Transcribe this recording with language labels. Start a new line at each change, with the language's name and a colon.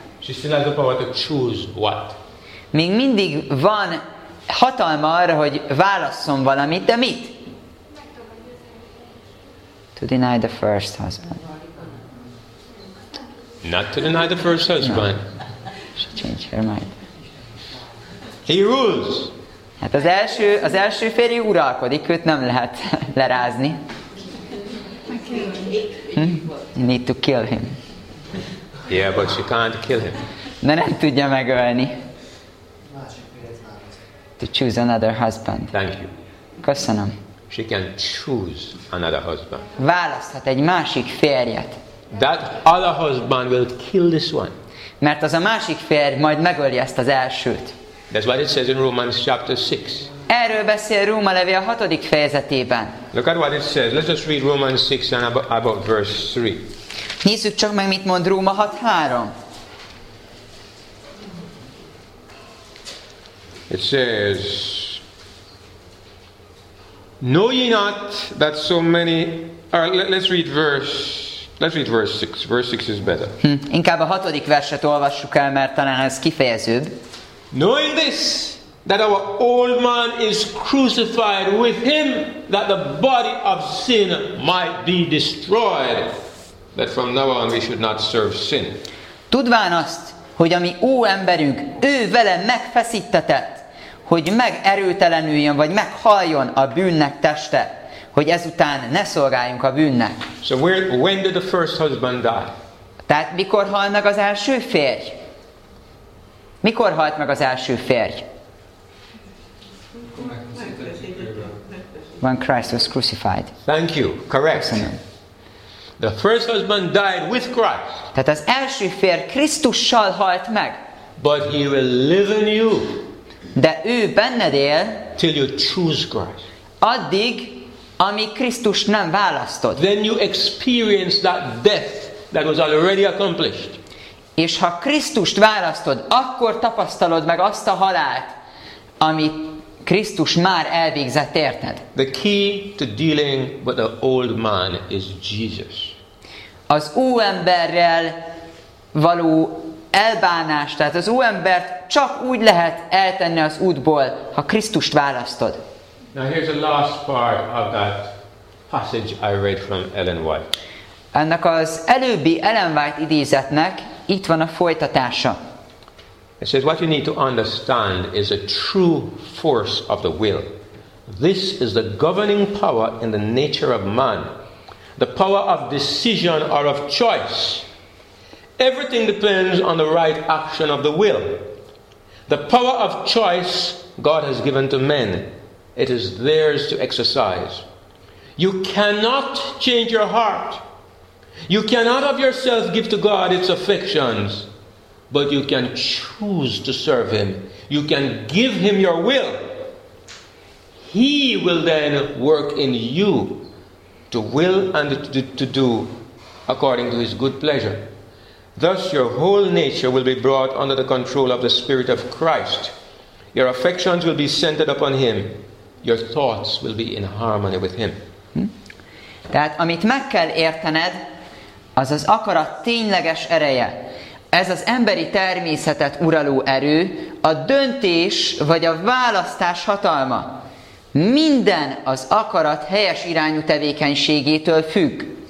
English: She still has the power to choose what.
Hungarian: Még mindig van hatalma arra, hogy válasszon valamit, de mit?
English: To deny the first husband. Not to deny the first husband. No. She changed her mind. He rules.
Hungarian: Hát az első férje uralkodik, őt nem lehet lerázni.
English: You need to kill him. Yeah, but she can't kill him.
Hungarian: De nem tudja megölni.
English: To choose another husband. Thank you.
Hungarian: Köszönöm.
English: She can choose another husband.
Hungarian: Választhat egy másik férjet.
English: That other husband will kill this one.
Hungarian: Mert az a másik férj majd megölje ezt az elsőt.
English: That's what it says in Romans chapter 6.
Hungarian: Erről beszél Róma levél a 6. fejezetében.
English: Look at what it says. Let's just read Romans 6 and about verse 3.
Hungarian: Nézzük csak meg, mit mond Róma 6:3.
English: It says, Know ye not that so many... Let's read verse 6. Verse 6 is better.
Hungarian: Inkább a 6. verset olvassuk el, mert talán ez kifejezőbb.
English: Knowing this, that our old man is crucified with him, that the body of sin might be destroyed, that from now on we should not serve sin.
Hungarian: Tudván azt, hogy a mi ó emberünk, ő vele megfeszítetett, hogy megerőtelenüljön, vagy meghaljon a bűnnek teste. Hogy ezután ne szolgáljunk a bűnnek.
English: So when did the first husband die?
Hungarian: Tehát mikor halt meg az első férj? Mikor halt meg az első férj?
English: When Christ was crucified. Thank you. Correct.
Hungarian: Köszönöm.
English: The first husband died with Christ.
Hungarian: Tehát az első férj Krisztussal halt meg.
English: But he will live in you.
Hungarian: De ő benned él.
English: Till you choose Christ.
Hungarian: Addig, ami Krisztus nem választott.
English: Then you experience that death that was already accomplished.
Hungarian: És ha Krisztust választod, akkor tapasztalod meg azt a halált, amit Krisztus már elvégzett érted.
English: The key to dealing with the old man is Jesus.
Hungarian: Az ó emberrel való elbánás, tehát az ó embert csak úgy lehet eltenni az útból, ha Krisztust választod.
English: Now here's the last part of that passage I read from Ellen White.
Hungarian: Ennek az előbbi Ellen White idézetnek itt van a folytatása.
English: It says, what you need to understand is a true force of the will. This is the governing power in the nature of man. The power of decision or of choice. Everything depends on the right action of the will. The power of choice God has given to men. It is theirs to exercise. You cannot change your heart. You cannot of yourself give to God its affections. But you can choose to serve Him. You can give Him your will. He will then work in you to will and to do according to His good pleasure. Thus your whole nature will be brought under the control of the Spirit of Christ. Your affections will be centered upon Him. Your thoughts will be in harmony with Him.
Hungarian: Tehát amit meg kell értened, az az akarat tényleges ereje. Ez az emberi természetet uraló erő, a döntés vagy a választás hatalma. Minden az akarat helyes irányú tevékenységétől függ.